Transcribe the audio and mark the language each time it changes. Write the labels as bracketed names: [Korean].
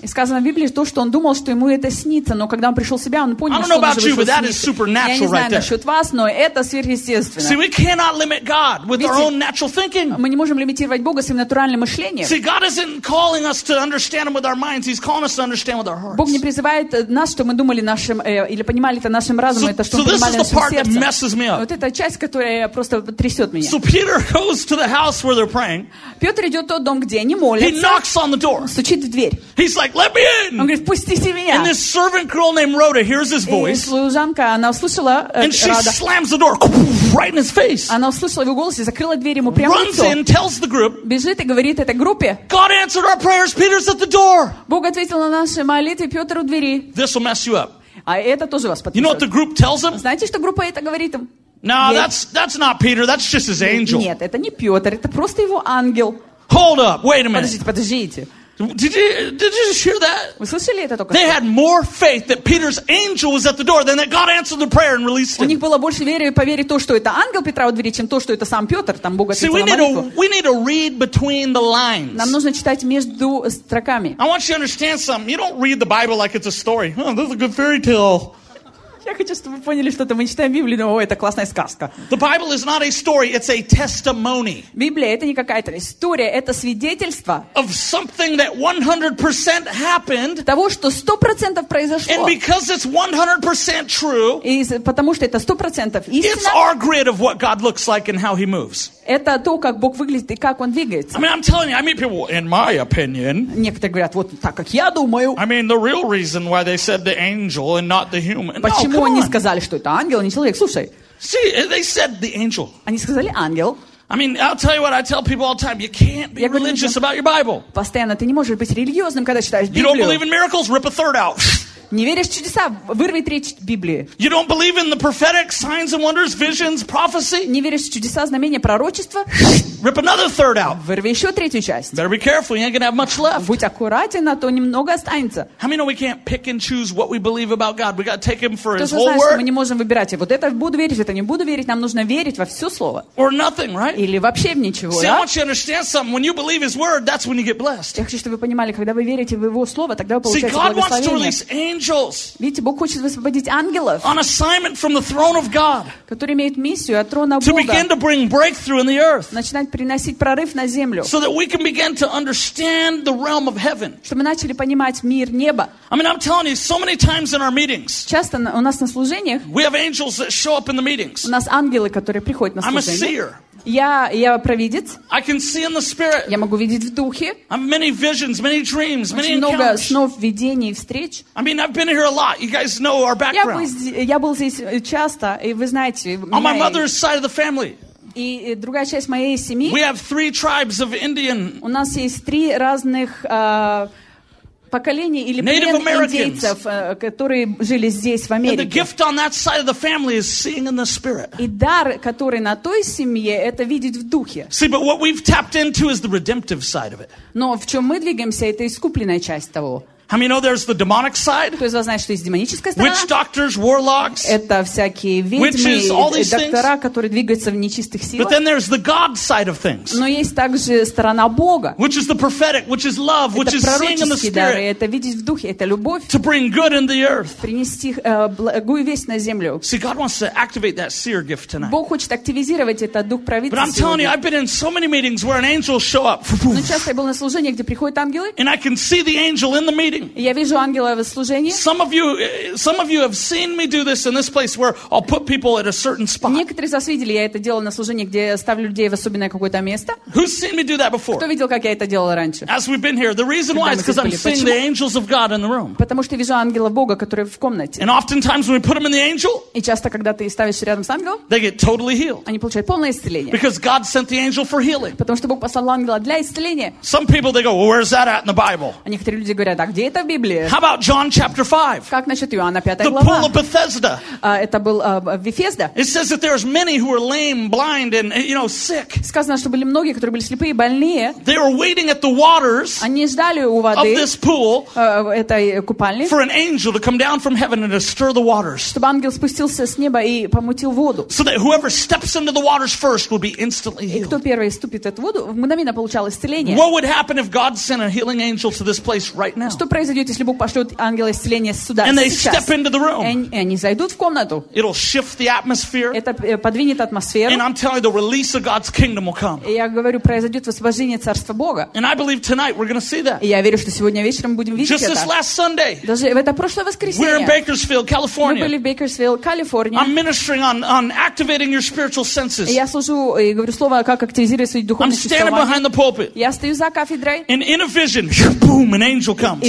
[Russian] И сказано в Библии то, что он думал, что ему это снится, но когда он пришел в себя, он понял, что он уже вышел из снится. [English] I don't know about you, but that is supernatural right there. [Russian] Я не знаю насчет вас, но это сверхъестественно. [English] See, we cannot limit God with our own natural thinking. [Russian] Мы не можем лимитировать Бога своим натуральным мышлением. [English] See, God isn't calling us to understand Him with our minds. He's calling us to understand with our hearts. [Russian] Бог не призывает нас, чтобы мы думали нашим или понимали это нашим разумом, это что мы понимали нашим сердцем. [English] So this is the part that messes me up. [Russian] Вот эта часть, которая просто трясет меня. [English] So Peter goes to the house where they're praying. [Russian] Петр идет в тот дом, где они молятся. [English] He knocks on the door. [Russian] Стучит в дверь. [English] He's like, "Let me in." [Russian] Он говорит, "Пустите меня." [English] And this servant girl named Rhoda hears his voice. [Russian] И служанка, она услышала Рада. [English] And she slams the door. Right in his face. [Russian] Она услышала его голос и закрыла дверь ему прямо [English] Runs [Russian] в лицо. [English] In, tells the group, [Russian] Бежит и говорит этой группе. [English] God answered our prayers. Peter's at the door. [Russian] Бог ответил на наши молитвы. Петр у двери. [English] This will mess you up. [Russian] А это тоже вас потрясет. [English] You know what the group tells them? [Russian] Знаете, что группа это говорит им? [English] No, [Russian] нет. [English] That's not Peter. That's just his angel. [Russian] Нет, это не Петр. Это просто его ангел. [English] Hold up. Wait a minute. [Russian] Подождите. [English] Did you just hear that? [Russian] Вы слышали это только? [English] They had more faith that Peter's angel was at the door than that God answered the prayer and released him. [Russian] У них было больше веры и поверить то, что это ангел Петра у двери, чем то, что это сам Петр там Бога ответил на молитву. [English] We need to read between the lines. [Russian] Нам нужно читать между строками. [English] I want you to understand something. You don't read the Bible like it's a story. Oh, this is a good fairy tale. [Russian] Я хочу, чтобы вы поняли что-то. Мы читаем Библию, но это классная сказка. [English] The Bible is not a story, it's a testimony. [Russian] Библия — это не какая-то история, это свидетельство [English] of something that 100% happened, [Russian] того, что 100% произошло. [English] And because it's 100% true, [Russian] и потому что это 100% истина, [English] it's our grid of what God looks like and how He moves. [Russian] Это то, как Бог выглядит и как Он двигается. [English] I mean, I'm telling you, I meet people, in my opinion, [Russian] некоторые говорят, вот так, как я думаю. [English] I mean, the real reason why they said the angel and not the human. [Russian] Почему они сказали, что это ангел, а не человек? Слушай. [English] See, they said the angel. [Russian] Они сказали ангел. [English] I mean, I'll tell you what I tell people all the time. You can't be religious about your Bible. [Russian] Постоянно ты не можешь быть религиозным, когда читаешь Библию. [English] You don't believe in miracles? Rip a third out. [Russian] Не веришь в чудеса? Вырви треть Библии. [English] You don't believe in the prophetic signs and wonders, visions, prophecy? [Russian] Не веришь в чудеса, знамения, пророчества? [English] Rip another third out. [Russian] Вырви еще третью часть. [English] Better be careful, you ain't gonna have much left. [Russian] Будь аккуратен, а то немного останется. [English] How many know we can't pick and choose what we believe about God? We gotta take Him for His whole word. [Russian] Мы не можем выбирать. Вот это буду верить, это не буду верить. Нам нужно верить во все слово. [English] Or nothing, right? [Russian] Или вообще в ничего. [English] See, I want you to understand something. When you believe His word, that's when you get blessed. [Russian] Я хочу, чтобы вы понимали, когда вы верите в Его слово, тогда вы получаете благословение. [English] See, God wants to release angels. [Russian] Видите, Бог хочет высвободить ангелов. [English] On assignment from the throne of God. [Russian] Которые имеют миссию от трона Бога. [English] To begin to bring breakthrough in the earth. [Russian] Приносить прорыв на землю. [English] So that we can begin to understand the realm of heaven. [Russian] Чтобы мы начали понимать мир неба. [English] I mean, I'm telling you, so many times in our meetings. [Russian] Часто у нас на служениях. [English] We have angels that show up in the meetings. [Russian] У нас ангелы, которые приходят на служения. [English] I'm a seer. [Russian] Я провидец. [English] I can see in the spirit. [Russian] Я могу видеть в духе. [English] I have many visions, many dreams, many [Russian] Очень много снов, видений, встреч. [English] I mean, I've been here a lot. You guys know our background. [Russian] Я был здесь часто, и вы знаете. [English] On my mother's side of the family. [Russian] И другая часть моей семьи. [English] We have three tribes of Indian. [Russian] У нас есть три разных поколений или [English] Native Americans, [Russian] индейцев, которые жили здесь в Америке. [English] And the gift on that side of the family is seeing in the spirit. [Russian] И дар, который на той семье, это видеть в духе. [English] See, but what we've tapped into is the redemptive side of it. [Russian] Но в чем мы двигаемся, это искупленная часть того. [English] How many know there's the demonic side? [Russian] Кто из вас знает, что есть демоническая сторона? [English] Witch doctors, warlocks. [Russian] Это всякие ведьмы, [English] witches, [Russian] доктора, которые двигаются в нечистых силах. [English] But then there's the God side of things. [Russian] Но есть также сторона Бога. [English] Which is the prophetic, which is love, which is seeing in the spirit. [Russian] Это пророческие дары, это видеть в духе, это любовь. [English] To bring good in the earth. [Russian] Принести благую весть на землю. [English] See, God wants to activate that seer gift tonight. [Russian] Бог хочет активизировать этот дух провидца. [English] But I'm telling you, I've been in so many meetings where an angel show up. [Russian] Но часто я был на служениях, где приходят ангелы. [English] And I can see the angel in the meeting. [Russian] Я вижу ангела в служении. [English] Some of you have seen me do this in this place where I'll put people at a certain spot. [Russian] Некоторые из вас видели, я это делал на служении, где ставлю людей в особенное какое-то место. [English] Who's seen me do that before? [Russian] Кто видел, как я это делал раньше? [English] As we've been here, the reason why is because I'm seeing the angels of God in the room. [Russian] Потому что я вижу ангела Бога, который в комнате. [English] And oftentimes when we put them in the angel, [Russian] и часто когда ты ставишь рядом с ангелом, [English] they get totally healed. [Russian] Они получают полное исцеление. [English] Because God sent the angel for healing. [Russian] Потому что Бог послал ангела для исцеления. [English] Some people they go, well, where's that at in the Bible? [Russian] А некоторые люди говорят, а где? [English] How about John chapter 5? [Russian] Как насчет Иоанна 5 глава? [English] The pool of Bethesda. [Russian] Это был Вифезда. [English] It says that there's many who are lame, blind, and you know, sick. [Russian] Сказано, что были многие, которые были слепые и больные. [English] They were waiting at the waters. [Russian] Они ждали у воды. [English] Of this pool. [Russian] Этой купальни. [English] For an angel to come down from heaven and to stir the waters. [Russian] Чтобы ангел спустился с неба и помутил воду. [English] So that whoever steps into the waters first will be instantly healed. [Russian] И кто первый ступит в эту воду, мгновенно получал исцеление. [English] What would happen if God sent a healing angel to this place right now? [Russian] Что произойдет, если Бог пошлет ангела исцеления сюда, [English] and [Russian] сейчас. [English] They step into the room. [Russian] И они зайдут в комнату. [English] It'll shift the atmosphere. [Russian] Это подвинет атмосферу. [English] And I'm telling you, the release of God's kingdom will come. [Russian] И я говорю, произойдет освобождение Царства Бога. [English] And I believe tonight we're gonna see that. [Russian] И я верю, что сегодня вечером будем видеть [English] Just [Russian] это. [English] This last Sunday, [Russian] даже в это прошлое воскресенье. [English] We're in Bakersfield, California. [Russian] Мы были в Бейкерсфилд, Калифорния. [English] I'm ministering on activating your spiritual senses. [Russian] И я служу и говорю слово, как активизировать свои духовные чувства. [English] I'm standing behind the pulpit. [Russian] Я стою за кафедрой. [English] And in a vision, boom, an angel comes.